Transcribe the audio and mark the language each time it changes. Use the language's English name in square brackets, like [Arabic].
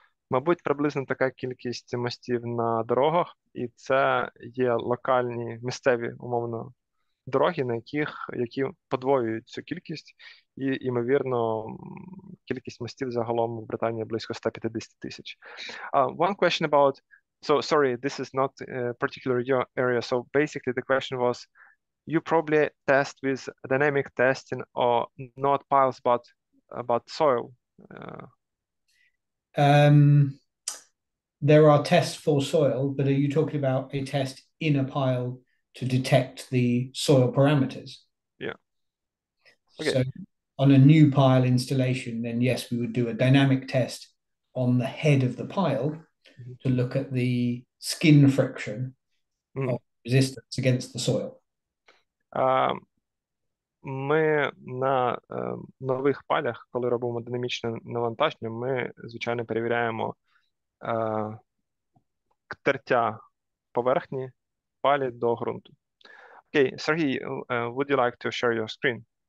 [Ukrainian] Мабуть, приблизно така кількість мостів на дорогах, і це є локальні, місцеві, умовно, дороги, на яких, які подвоюють цю кількість, і, ймовірно, кількість мостів загалом в Британії близько 150 тисяч. [English] One question about... So, sorry, this is not particular your area. So, basically, the question was, you probably test with dynamic testing or not piles, but about soil. There are tests for soil, but are you talking about a test in a pile to detect the soil parameters? Yeah. Okay. So on a new pile installation, then yes, we would do a dynamic test on the head of the pile to look at the skin friction of resistance against the soil. [Ukrainian] Ми на нових палях, коли робимо динамічне навантаження, ми, звичайно, перевіряємо ктертя поверхні палі до ґрунту. [English] Окей, Сергій, would you like to share your screen?